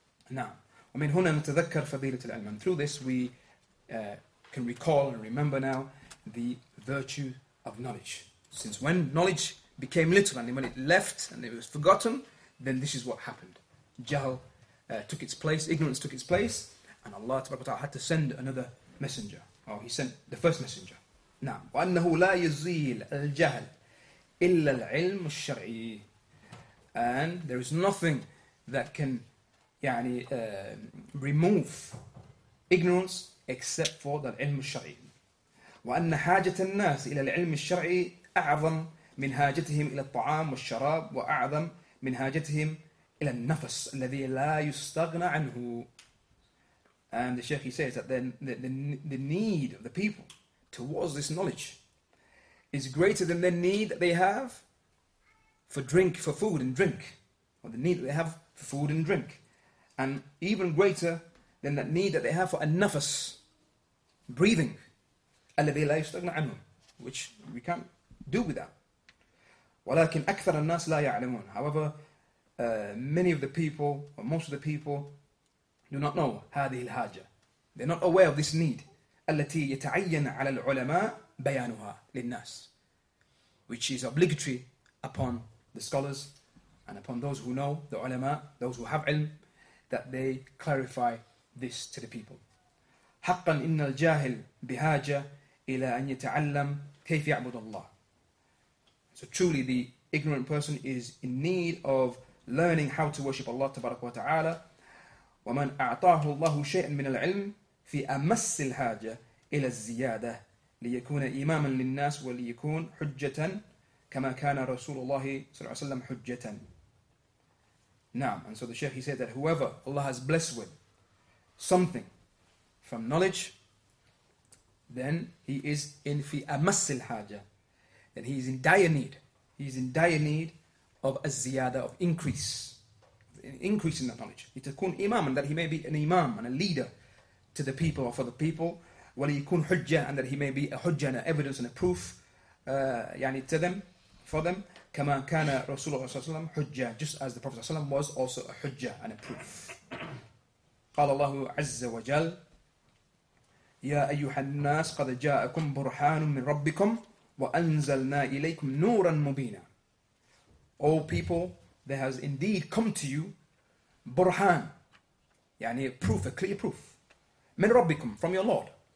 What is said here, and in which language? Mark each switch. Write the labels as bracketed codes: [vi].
[en] Now, [ar] ومن هنا نتذكر فضيلة العلم. [en] Through this, we can recall and remember now the virtue of knowledge. Since when knowledge became little, and when it left and it was forgotten, then this is what happened. Jahl took its place, ignorance took its place, and Allah Ta'ala had to send another messenger. He sent the first messenger. Now, [ar] وَأَنَّهُ لَا يَزِيلُ الْجَهْلُ إلا العلم الشرعي. [en] And there is nothing that can [ar] يعني [en] remove ignorance except for the علم الشرعي. [ar] وأن حاجة الناس إلى العلم الشرعي أعظم من حاجتهم إلى الطعام والشراب وأعظم من حاجتهم إلى النفس الذي لا يستغنى عنه. [en] And the Sheikh, he says that then the need of the people towards this knowledge is greater than the need that they have for drink, for food and drink, or the need that they have for food and drink, and even greater than that need that they have for a nafas, breathing, [ar] الذي لا يستغنى عنه, [en] which we can't do without. [ar] ولكن أكثر الناس لا يعلمون. [en] However, many of the people, or most of the people, do not know [ar] هذه الحاجة. [en] They're not aware of this need [ar] التي يتعين على العلماء بيانها للناس, [en] which is obligatory upon the scholars and upon those who know, the ulama, those who have ilm, that they clarify this to the people. [ar] حقا إن الجاهل بحاجة إلى أن يتعلم كيف يعبد الله. [en] So truly the ignorant person is in need of learning how to worship Allah [ar] تبارك وتعالى. ومن أعطاه الله شيئا من العلم في أمس الحاجة إلى الزيادة ليكون إماما للناس وليكون حجة كما كان رسول الله صلى الله عليه وسلم حجة. نعم. [en] And so the Sheikh, he said that whoever Allah has blessed with something from knowledge, then he is in [ar] في أمس الحاجة, [en] then he is in dire need, he is in dire need of الزيادة, of increase, increase in that knowledge. [ar] لتكون إماما, [en] that he may be an imam and a leader to the people or for the people. [ar] وليكون حجة, [en] and that he may be a حجة, an evidence and a proof [ar] يعني [en] to them, for them. [ar] كما كان رسول الله صلى الله عليه وسلم حجة, [en] just as the Prophet صلى الله عليه وسلم was also a حجة and a proof. [ar] قال الله عز وجل يا أيها الناس قد جاءكم برهان من ربكم وأنزلنا إليكم نورا مبينا. [en] All people, there has indeed come to you برهان, [ar] يعني [en] proof, a clear proof, [ar] من ربكم, [en] from your Lord.